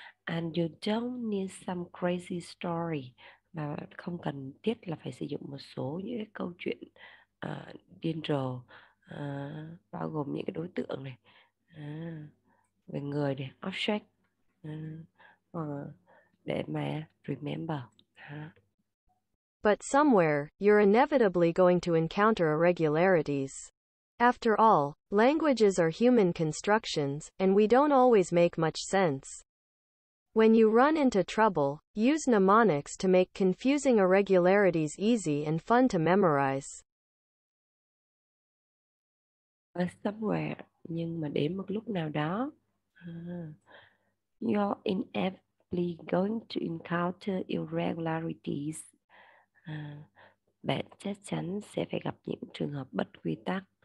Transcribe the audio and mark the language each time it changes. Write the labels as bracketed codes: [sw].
[en] And you don't need some crazy story. [vi] Và không cần thiết là phải sử dụng một số những cái câu chuyện điên rồ, bao gồm những cái đối tượng này, về người này, object, để mà remember. [en] But somewhere, you're inevitably going to encounter irregularities. After all, languages are human constructions, and we don't always make much sense. When you run into trouble, use mnemonics to make confusing irregularities easy and fun to memorize. Somewhere, [vi] nhưng mà đến một lúc nào đó, [en] you're inevitably going to encounter irregularities. [vi] Bạn chắc chắn sẽ phải gặp những trường hợp bất quy tắc.